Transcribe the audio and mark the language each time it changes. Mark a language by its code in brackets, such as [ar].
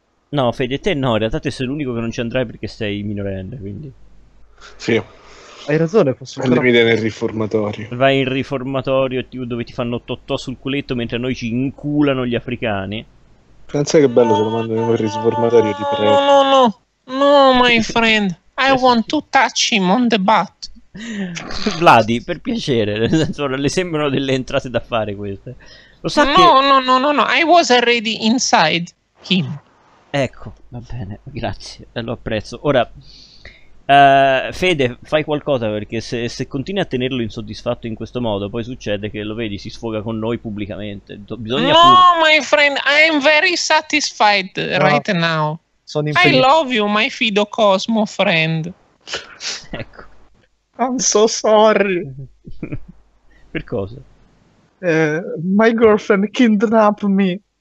[it] No, Fede, te no, in realtà te sei l'unico che non ci andrai perché sei minorenne, quindi... Sì. Hai ragione, posso... Andami nel riformatorio. Vai in riformatorio dove ti fanno totò sul culetto mentre noi ci inculano gli africani. Pensa che bello se lo mandano in riformatorio, ti prego. [en] No, my friend, I want to touch him on the butt. [it] Vladi, per piacere, nel senso, le sembrano delle entrate da fare queste. Lo sa no, che... [en] No, I was already inside him. [it] Ecco, va bene, grazie, lo apprezzo. Ora, Fede, fai qualcosa, perché se continui a tenerlo insoddisfatto in questo modo, poi succede che, lo vedi, si sfoga con noi pubblicamente. [en] My friend, I am very satisfied right now. [it] Sono [en] I love you, my Fido Cosmo friend. [it] Ecco. [en] I'm so sorry. [it] Per cosa? [en] My girlfriend kidnapped me.